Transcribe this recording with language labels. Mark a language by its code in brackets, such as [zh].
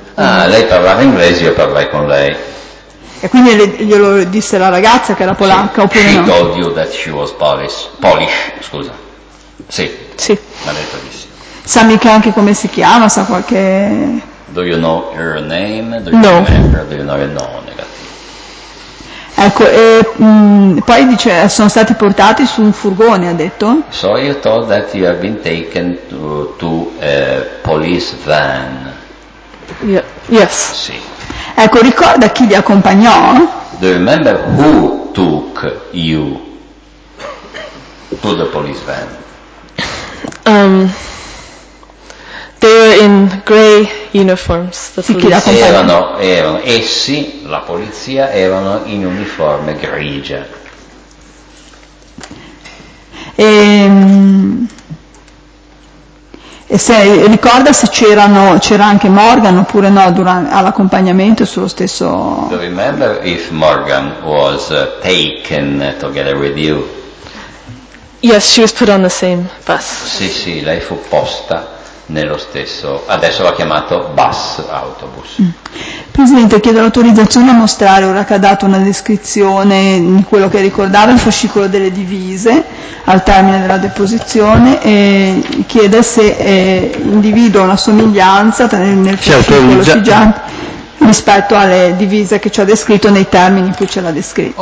[it] Ah, lei parlava inglese, io parlai con lei. E quindi glielo disse la ragazza che era polacca, Oppure [en] she [it] no? [en] She told you that she was Polish, [it] scusa. Sì. Sì. Ha detto di sì. Sa mica anche come si chiama, sa qualche... [en] Do you know her name? Do you no. Remember? Do you know her name? [it] Ecco, e poi dice, sono stati portati su un furgone, ha detto. [en] So you thought that you have been taken to a police van. Yeah. Yes. [it] Sì. Ecco, ricorda chi li accompagnò? [en] Do you remember who took you to the police van? They were in grey uniforms, the police. [it] Erano essi, la polizia, erano in uniforme grigia. Ricorda se c'era anche Morgan oppure no all'accompagnamento sullo stesso... [en] Do you remember if Morgan was taken together with you? Yes, she was put on the same bus. [it] Sì, sì, lei fu posta nello stesso, adesso l'ha chiamato bus, autobus. Presidente, chiedo l'autorizzazione a mostrare, ora che ha dato una descrizione di quello che ricordava, il fascicolo delle divise al termine della deposizione, e chiede se individua una somiglianza tra nel fascicolo sigillante rispetto alle divise che ci ha descritto nei termini in cui ce l'ha descritto.